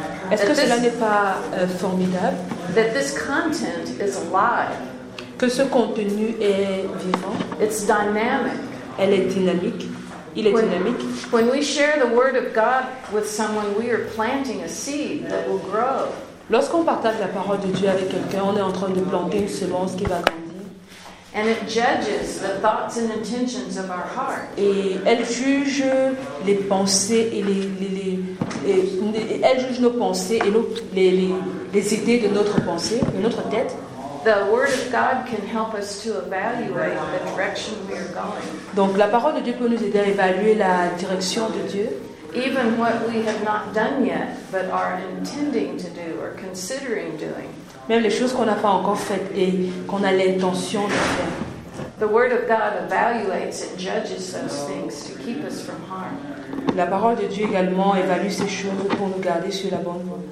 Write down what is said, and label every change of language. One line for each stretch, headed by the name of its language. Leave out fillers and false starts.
French: Est-ce que cela n'est pas formidable?
English: That this content is alive.
French: Que ce contenu est vivant.
English: It's dynamic.
French: Elle est dynamique. Il est dynamique.
English: When we share the word of God with someone, we are planting a seed that will grow.
French: Lorsqu'on partage la parole de Dieu avec quelqu'un, on est en train de planter une semence qui va grandir.
English: And it judges the thoughts and intentions of our heart.
French: Et elle juge les pensées et elle juge nos pensées et les idées de notre pensée, de notre tête.
English: The word of God can help us to evaluate the direction we are going.
French: Donc la parole de Dieu peut nous aider à évaluer la direction de Dieu.
English: Even what we have not done yet, but are intending to do or considering doing.
French: Même les choses qu'on n'a pas encore faites et qu'on a l'intention de faire.
English: The word of God evaluates and judges those things to keep us from harm.
French: La parole de Dieu également évalue ces choses pour nous garder sur la bonne voie.